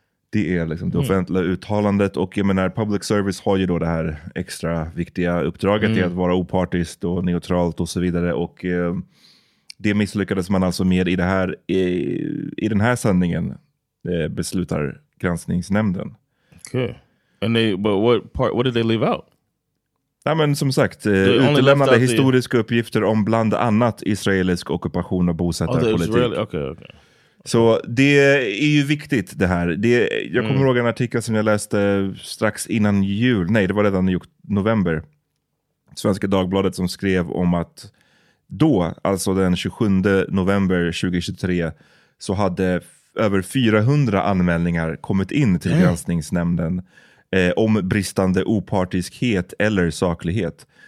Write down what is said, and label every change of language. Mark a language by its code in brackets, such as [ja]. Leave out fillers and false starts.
[sv] Det är liksom det offentliga uttalandet, och jag menar, public service har ju då det här extra viktiga uppdraget i att vara opartiskt och neutralt och så vidare, och det misslyckades man alltså med i det här i den här sändningen, beslutar granskningsnämnden. [en] Okay. And they, but what part, what did they leave out? [sv] Ja, men som sagt, utelämnade historiska uppgifter om bland annat israelisk ockupation och bosättarpolitik. Okej, okej. Så det är ju viktigt det här. Det, jag kommer ihåg en artikel som jag läste strax innan jul. Nej, det var redan i november. Svenska Dagbladet som skrev om att då, alltså den 27 november 2023, så hade över 400 anmälningar kommit in till granskningsnämnden om bristande opartiskhet eller saklighet.